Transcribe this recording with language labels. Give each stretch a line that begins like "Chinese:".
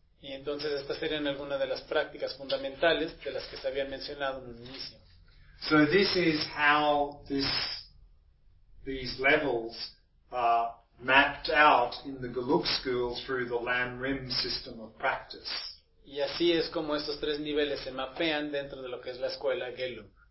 Spanish: Y entonces estas serían algunas de las prácticas fundamentales de las que se habían mencionado en un inicio.
English: So this is how these levels are mapped out in the Galuk school through the Lam Rim system of practice.
Spanish: Y así es como estos tres niveles se mapean dentro de lo que es la escuela Geluk.